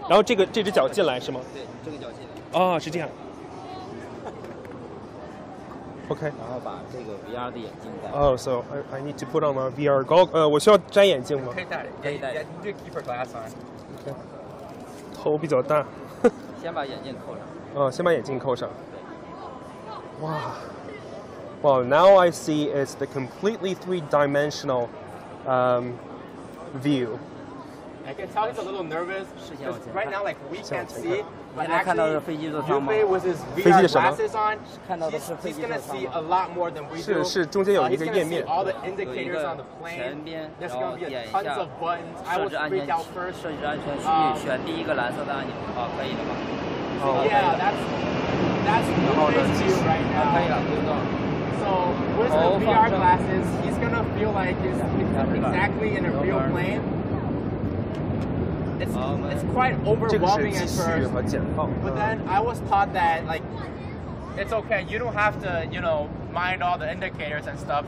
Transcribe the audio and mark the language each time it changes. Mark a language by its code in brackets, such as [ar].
[zh] 然后这个脚进来是吗？对，这个脚进来。哦，是这样。OK. 然后把这个 VR 的眼镜戴。 [en] Oh, so I need to put on my VR goggles. [zh] 我需要摘眼镜吗？可以戴，可以戴。You [en] need keeper glass on. [zh] 头比较大。先把眼镜扣上。先把眼镜扣上。Wow, [en] now I see it's the completely three-dimensional view. I can tell he's a little nervous. Right now, like, we can't see, but actually, Yunfei with his VR glasses on, he's going to see a lot more than we do. He's going to see all the indicators on the plane. There's going to be tons of buttons. I will freak out first. [zh] 设置安全区域,选第一个蓝色的按钮,可以了吗? [en] Yeah, that's the right now. So with the VR glasses, he's gonna feel like he's exactly in a real plane. It's quite overwhelming at first. But then I was taught that like it's okay, you don't have to, mind all the indicators and stuff.